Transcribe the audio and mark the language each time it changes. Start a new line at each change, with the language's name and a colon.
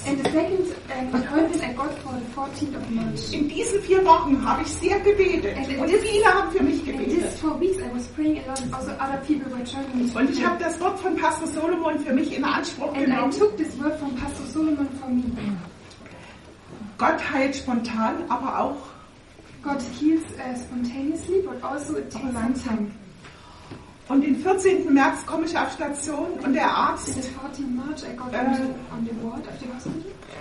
English: And the second appointment I got for the 14th of March.
German: In diesen 4 Wochen habe ich sehr gebetet. Und viele haben für mich gebetet.
English: In these 4 weeks I was praying a lot. Also other people were joining me.
German: Und ich habe das Wort von Pastor Solomon für mich in Anspruch genommen.
English: And I took this word from Pastor Solomon for me.
German: Gott heilt spontan, aber auch
English: God heals spontaneously, but also it takes long time.
German: Und den 14. März komme ich auf Station und der Arzt
English: on the 14th March I got on the ward of the hospital.